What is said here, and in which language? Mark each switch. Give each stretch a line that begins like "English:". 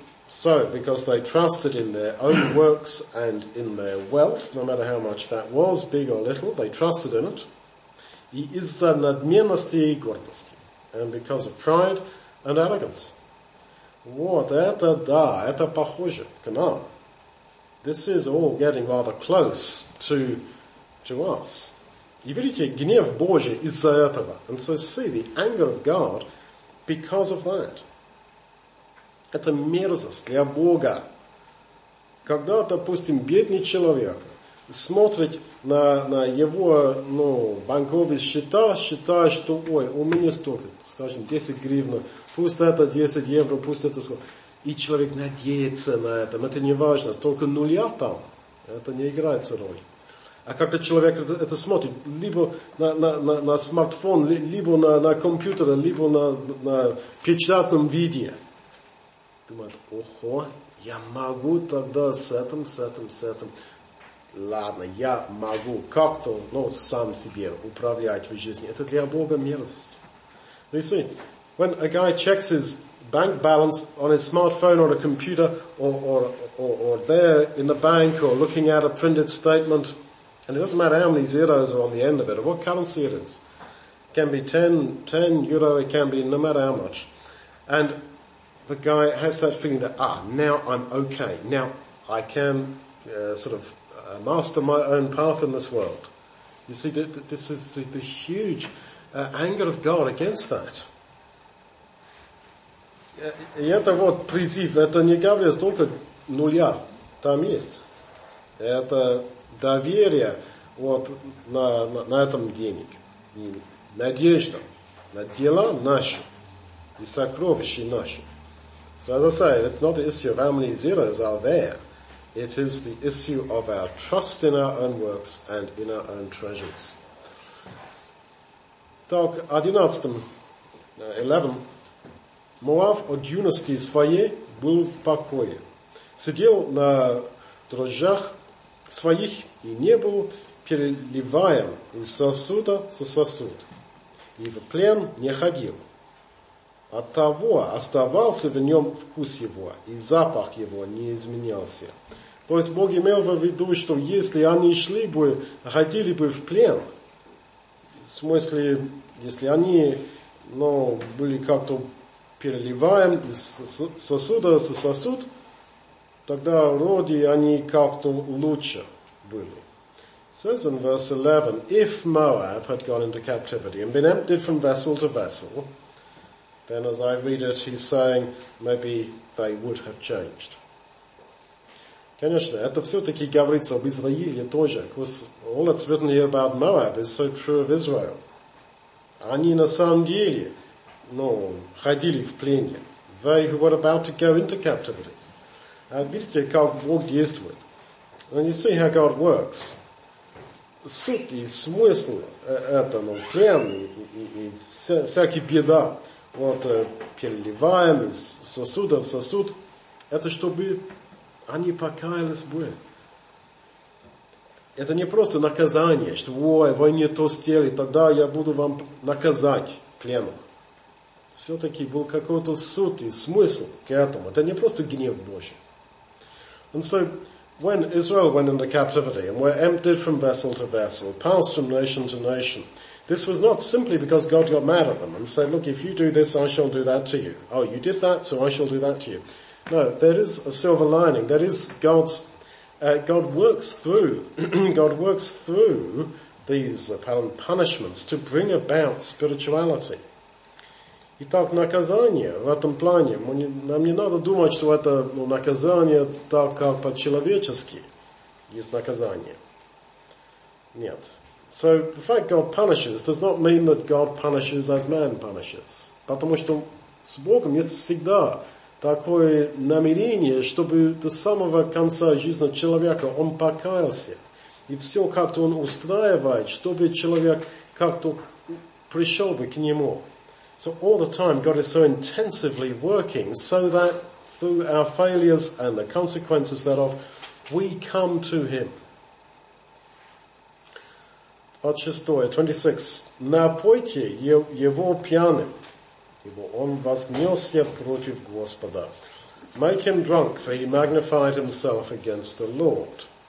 English: So, because they trusted in their own works and in their wealth, no matter how much that was, big or little, they trusted in it.
Russian: И из-за надменности и гордости.
English: And because of pride and arrogance.
Russian: Вот, это да, это похоже к нам.
English: This is all getting rather close to us.
Russian: И видите, гнев Божий из-за этого.
English: And so see the anger of God because of that.
Russian: Это мерзость для Бога. Когда, допустим, бедный человек смотрит на его, ну, банковые счета, считает, что, ой, у меня столько, скажем, 10 гривен, пусть это 10 евро, пусть это сколько. И человек надеется на это не важно, столько нуля там, это не играет роль. А как-то человек это смотрит, либо на смартфон, либо на компьютер, либо на печатном виде. Думает, ого, я могу тогда с этим. Ладно, я могу как-то, ну, сам себе управлять в жизни. Это для Бога мерзость.
English: You see, when a guy checks his bank balance on his smartphone or a computer or there in the bank or looking at a printed statement, and it doesn't matter how many zeros are on the end of it or what currency it is. It can be 10 euro, it can be no matter how much. And the guy has that feeling that, now I'm okay. Now I can master my own path in this world. You see, this is the huge anger of God against that.
Russian: И это вот призыв, это не говорит только нуля, там есть. Это доверие вот на этом денег. И надежда на дела наши и сокровища наши.
English: So as I say, it's not the issue of how many zeros are there. It is the issue of our trust in our own works and in our own treasures.
Russian: Так, 11. Моав от юности своей был в покое. Сидел на дрожжах своих и не был переливаем из сосуда со сосуд. И в плен не ходил. Оттого оставался в нем вкус его, и запах его не изменялся. То есть Бог имел в виду, что если они шли бы, ходили бы в плен, в смысле, если они, ну, были как-то переливаем из сосуда со сосуд, тогда вроде они как-то лучше были.
English: It says in verse 11, if Moab had gone into captivity and been emptied from vessel to vessel, then as I read it, he's saying, maybe they would have changed.
Russian: Конечно, это все-таки говорится об Израиле тоже.
English: Because all that's written here about Moab is so true of Israel.
Russian: Они на самом деле, ну, ходили в плене.
English: They who were about to go into captivity.
Russian: А видите, как Бог действует.
English: And you see how God works.
Russian: Суть и смысл это, ну, плен и всякие беда. Вот переливаем из сосуда в сосуд, это чтобы они покаялись бы, Это не просто наказание, что ой, вы не то сделали, тогда я буду вам наказать плену. Все-таки был какой-то суд и смысл к этому. Это не просто гнев Божий.
English: And so, when Israel went into captivity and were emptied from vessel to vessel, passed from nation to nation, this was not simply because God got mad at them and said, look, if you do this, I shall do that to you. Oh, you did that, so I shall do that to you. No, there is a silver lining. That is God's, God works through these apparent punishments to bring about spirituality.
Russian: Итак, наказание в этом плане, нам не надо думать, что это наказание так, как по-человечески есть наказание. Нет.
English: So, the fact God punishes does not mean that God punishes as man punishes.
Russian: Потому что с Богом есть всегда такое намерение, чтобы до самого конца жизни человека он покаялся. И все как-то он устраивает, чтобы человек как-то пришел бы к нему.
English: So all the time God is so intensively working so that through our failures and the consequences thereof, we come to Him.
Russian: 26. Напойте его пьяным, ибо он вознесся против Господа.
English: Make him drunk, for he magnified himself against the Lord.